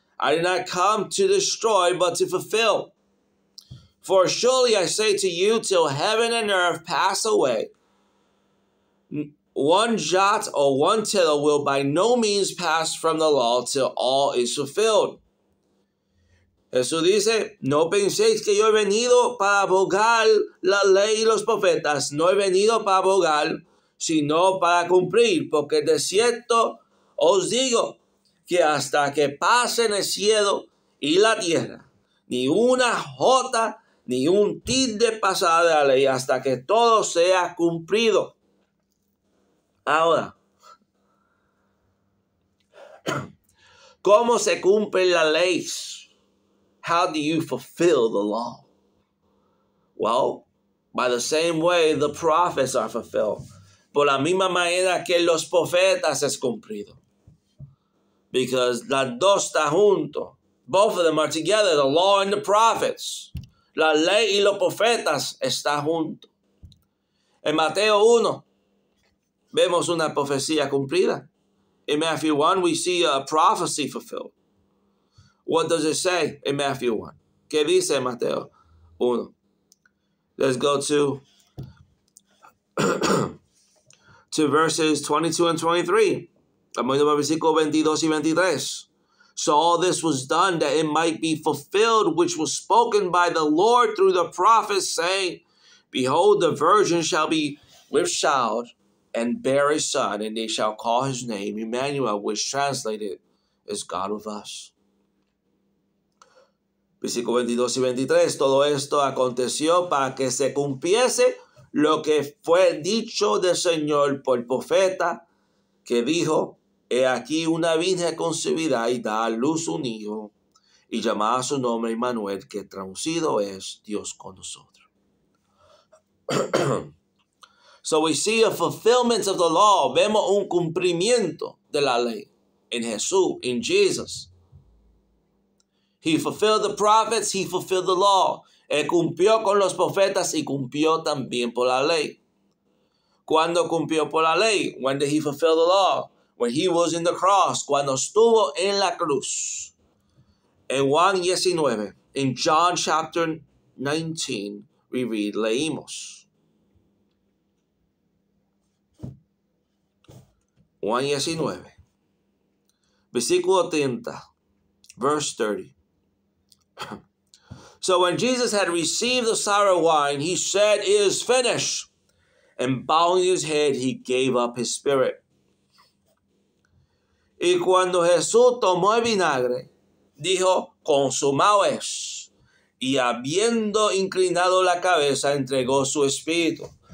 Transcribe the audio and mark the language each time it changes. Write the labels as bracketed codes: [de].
[en] I did not come to destroy, but to fulfill. For surely I say to you, till heaven and earth pass away, one jot or one tittle will by no means pass from the law till all is fulfilled. [es] Jesús dice, no penséis que yo he venido para abrogar la ley y los profetas. No he venido para abrogar, sino para cumplir. Porque de cierto os digo que hasta que pasen el cielo y la tierra, ni una jota ni un tilde pasará de la ley hasta que todo sea cumplido. Ahora, ¿cómo se cumple la ley? [en] How do you fulfill the law? Well, by the same way the prophets are fulfilled. [es] Por la misma manera que los profetas es cumplido. [en] Because [es] la dos está junto. [en] Both of them are together, the law and the prophets. [es] La ley y los profetas está junto. En Mateo 1, vemos una profecía cumplida. [en] In Matthew 1, we see a prophecy fulfilled. What does it say in Matthew 1? [es] ¿Qué dice Mateo 1? [en] Let's go to, to verses 22 and 23. [es] Vamos a ir al versículo 22 y 23. [en] So all this was done that it might be fulfilled, which was spoken by the Lord through the prophet, saying, behold, the virgin shall be with child and bear a son, and they shall call his name Emmanuel, which translated is God with us. [es] Versículo 22 y 23, todo esto aconteció para que se cumpliese lo que fue dicho del Señor por profeta, que dijo, he aquí una virgen concebida y da a luz un hijo, y llamada su nombre Emmanuel, que traducido es Dios con nosotros. [en] So we see a fulfillment of the law. [es] Vemos un cumplimiento de la ley en Jesús, [en] in Jesus. He fulfilled the prophets, he fulfilled the law. [es] Él cumplió con los profetas y cumplió también por la ley. ¿Cuándo cumplió por la ley? [en] When did he fulfill the law? When he was in the cross, [es] cuando estuvo en la cruz. En Juan 19, [en] in John chapter 19, we read, [es] leímos. Juan 19, versículo 30, [en] verse 30. So when Jesus had received the sour wine, he said, it is finished. And bowing his head, he gave up his spirit. [es] Y cuando Jesús tomó el vinagre, dijo, consumado es. Y habiendo inclinado la cabeza, entregó su espíritu.